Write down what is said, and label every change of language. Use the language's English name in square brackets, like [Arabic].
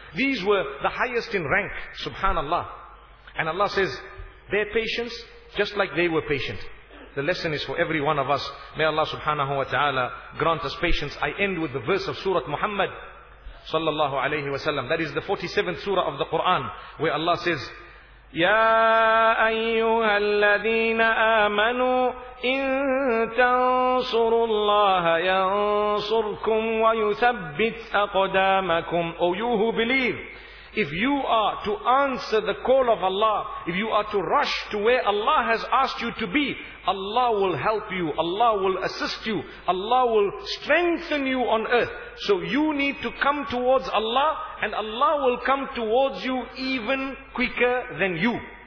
[English] These were the highest in rank, subhanallah. And Allah says, their patience, just like they were patient. The lesson is for every one of us. May Allah subhanahu wa ta'ala grant us patience. I end with the verse of Surah Muhammad sallallahu alayhi wa sallam. That is the 47th surah of the Quran, where Allah says, [Arabic] يا أيها الذين آمنوا إن تنصروا الله ينصركم ويثبت أقدامكم. [English] O you who believe, if you are to answer the call of Allah, if you are to rush to where Allah has asked you to be, Allah will help you, Allah will assist you, Allah will strengthen you on earth. So you need to come towards Allah, and Allah will come towards you even quicker than you.